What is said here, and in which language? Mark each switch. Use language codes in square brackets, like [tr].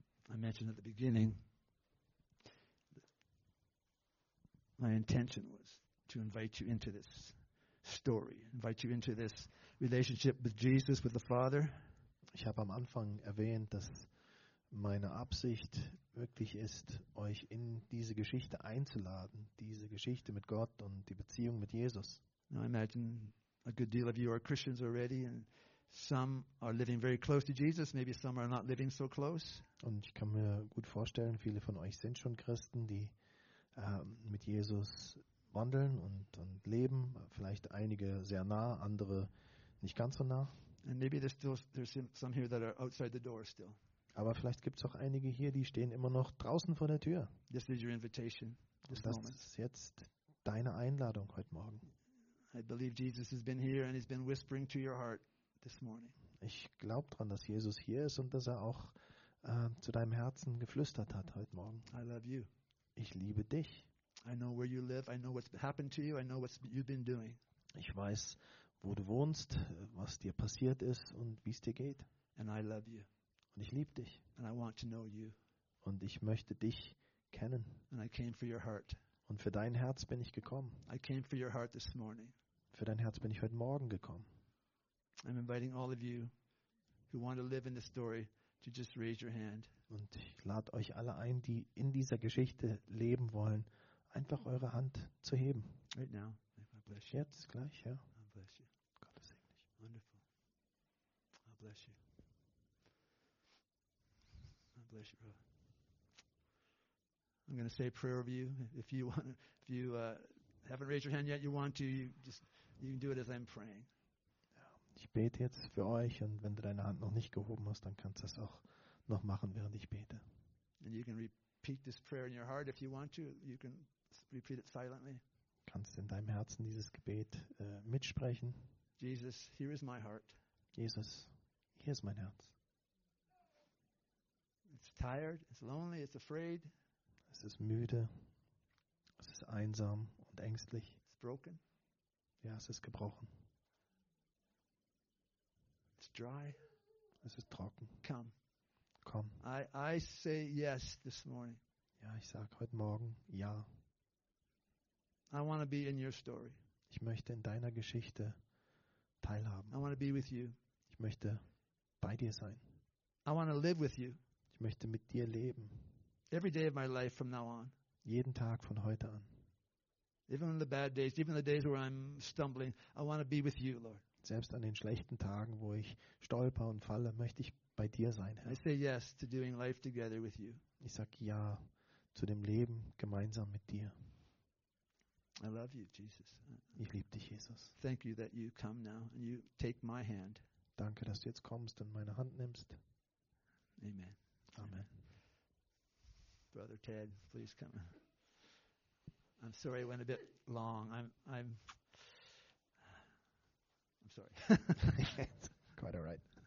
[en] I mentioned at the beginning my intention was to invite you into this story, invite you into this relationship with Jesus, with the Father. [de] Ich habe am Anfang erwähnt, dass meine Absicht wirklich ist, euch in diese Geschichte einzuladen, diese Geschichte mit Gott und die Beziehung mit Jesus. [en] Now imagine a good deal of you are Christians already, and some are living very close to Jesus. Maybe some are not living so close. [de] Und ich kann mir gut vorstellen, viele von euch sind schon Christen, die mit Jesus wandeln und leben. Vielleicht einige sehr nah, andere nicht ganz so nah. [en] And maybe there's some here that are outside the door still. [de] Aber vielleicht gibt's auch einige hier, die stehen immer noch draußen vor der Tür. [en] This is your invitation. [de] Das ist jetzt deine Einladung heute Morgen. [en] I believe Jesus has been here and he's been whispering to your heart this morning. [de] Ich glaube dran, dass Jesus hier ist und dass er auch zu deinem Herzen geflüstert hat heute Morgen. [en] I love you. [de] Ich liebe dich. [en] I know where you live. I know what's happened to you. I know what you've been doing. [de] Ich weiß, wo du wohnst, was dir passiert ist und wie es dir geht. [en] And I love you. [de] Und ich liebe dich. [en] And I want to know you. [de] Und ich möchte dich kennen. [en] And I came for your heart. [de] Und für dein Herz bin ich gekommen. [en] I came for your heart this morning. [de] Für dein Herz bin ich heute Morgen gekommen. [en] I'm inviting all of you who want to live in this story to just raise your hand. [de] Und ich lade euch alle ein, die in dieser Geschichte leben wollen, einfach eure Hand zu heben. [en] Right now. I bless you. [de] Jetzt gleich, ja. [en] I bless you. [de] Gott segne dich. [en] Wonderful. I bless you. I bless you, brother. I'm going to say a prayer over you. If you want, if you haven't raised your hand yet, you want to, you can do it as I'm praying. [de] Ich bete jetzt für euch, und wenn du deine Hand noch nicht gehoben hast, dann kannst du das auch noch machen, während ich bete. [en] And you can repeat this prayer in your heart if you want to. You can repeat it silently. [de] Kannst in deinem Herzen dieses Gebet mitsprechen. [en] Jesus, here is my heart. [de] Jesus, hier ist mein Herz. [en] It's tired, it's lonely, it's afraid. [de] Es ist müde, es ist einsam und ängstlich. [en] It's broken. [de] Ja, es ist gebrochen. [en] It's dry. [de] Es ist trocken. [en] Come. [de] Komm. [en] I say yes this morning. [de] Ja, ich sage heute Morgen ja. [en] I want to be in your story. [de] Ich möchte in deiner Geschichte teilhaben. [en] I want to be with you. [de] Ich möchte bei dir sein. [en] I want to live with you. [de] Ich möchte mit dir leben. [en] Every day of my life from now on. [de] Jeden Tag von heute an. [en] Even on the bad days, even the days where I'm stumbling, I want to be with you, Lord. [de] Selbst an den schlechten Tagen, wo ich stolper und falle, möchte ich bei dir sein, Herr. [en] I say yes to doing life together with you. [de] Ich sag ja zu dem Leben gemeinsam mit dir. [en] I love you, Jesus. [de] Ich liebe dich, Jesus. [en] Thank you that you come now and you take my hand. [de] Danke, dass du jetzt kommst und meine Hand nimmst. [en] Amen. [de] Amen. [en] Brother Ted, please come. I'm sorry I went a bit long. I'm sorry. Quite all right.